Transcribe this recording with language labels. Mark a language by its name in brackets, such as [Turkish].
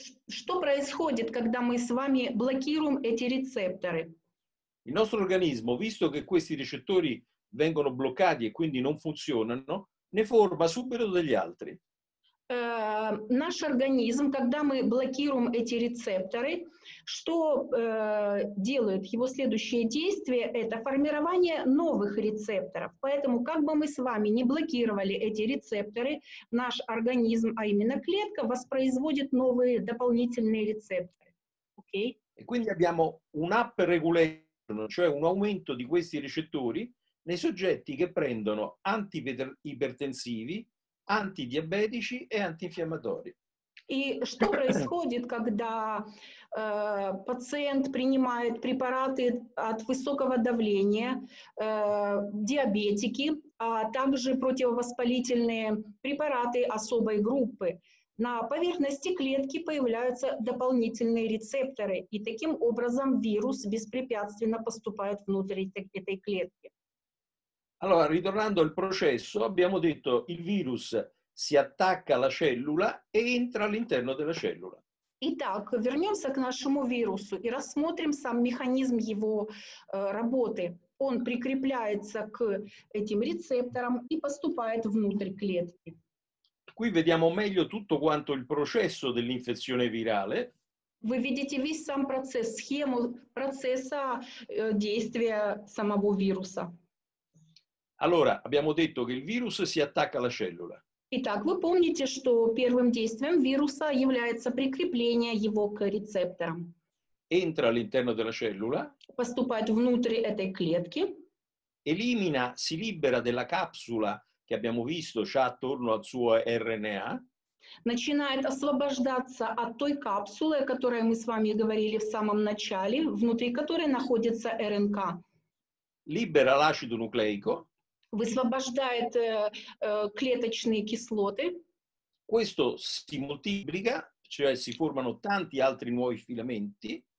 [Russian] Что происходит, когда мы с вами блокируем эти рецепторы? [Italian] Il nostro organismo, visto che questi recettori vengono bloccati e quindi non funzionano, ne forma subito degli altri. [Russian] наш организм, когда мы блокируем эти рецепторы, что делает его следующее действие? Это формирование новых рецепторов. Поэтому, как бы мы с вами не блокировали эти рецепторы, наш организм, а именно клетка, воспроизводит новые дополнительные рецепторы. Окей? [Italian] E quindi abbiamo un up-regulation, cioè un aumento di questi recettori nei soggetti che prendono antipertensivi, antidiabetici e antinfiammatori. [Russian] И что происходит, когда пациент принимает препараты от высокого давления, диабетики, а также противовоспалительные препараты особой группы? На поверхности клетки появляются дополнительные рецепторы, и таким образом вирус беспрепятственно поступает внутрь этой клетки. [Italian] Allora, ritornando al processo, abbiamo detto il virus si attacca alla cellula e entra all'interno della cellula. [Russian] Итак, вернемся к нашему вирусу и рассмотрим сам механизм его работы. Он прикрепляется к этим рецепторам и поступает внутрь клетки. [Italian] Qui vediamo meglio tutto quanto il processo dell'infezione virale. [Russian] Вы видите весь сам процесс, схему процесса действия самого вируса. [Italian] Allora, abbiamo detto che il virus si attacca alla cellula. [Russian] Итак, вы помните, что первым действием вируса является прикрепление его к рецепторам. [Italian] Entra all'interno della cellula. [Russian] Поступает внутрь этой клетки. [Italian] Elimina, si libera della capsula che abbiamo visto c'ha attorno al suo RNA. [Russian] Начинает освобождаться от той капсулы, о которой мы с вами говорили в самом начале, внутри которой находится РНК. [Italian] Libera l'acido nucleico. [Russian] Высвобождает клеточные кислоты. [Italian] Questo si moltiplica, cioè si formano tanti altri nuovi filamenti.